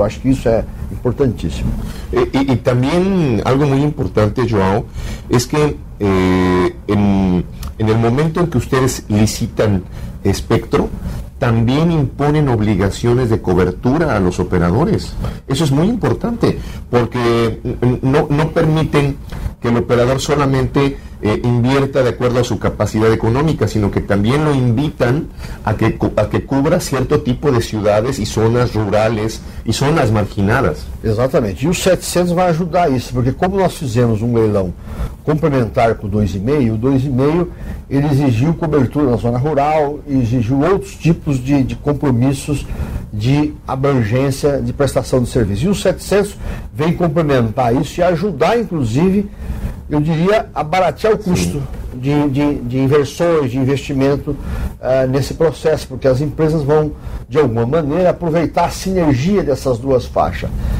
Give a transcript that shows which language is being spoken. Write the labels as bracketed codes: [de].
[pt] Eu acho que isso é importantíssimo. E também, algo muito importante, João, é que em el momento em que vocês licitam espectro, [es] también imponen obligaciones de cobertura a los operadores. Eso es muy importante, porque no permiten que el operador solamente invierta de acuerdo a su capacidad económica, sino que también lo invitan a que cubra cierto tipo de ciudades y zonas rurales y zonas marginadas. Exactamente. Y el 700 va a ayudar a eso, porque como [pt] nós fizemos un leilão complementar com 2,5, o 2,5 ele exigiu cobertura na zona rural, exigiu outros tipos de compromissos de abrangência de prestação de serviço. E o 700 vem complementar isso e ajudar, inclusive, eu diria, a baratear o custo de inversões, de investimento nesse processo, porque as empresas vão, de alguma maneira, aproveitar a sinergia dessas duas faixas.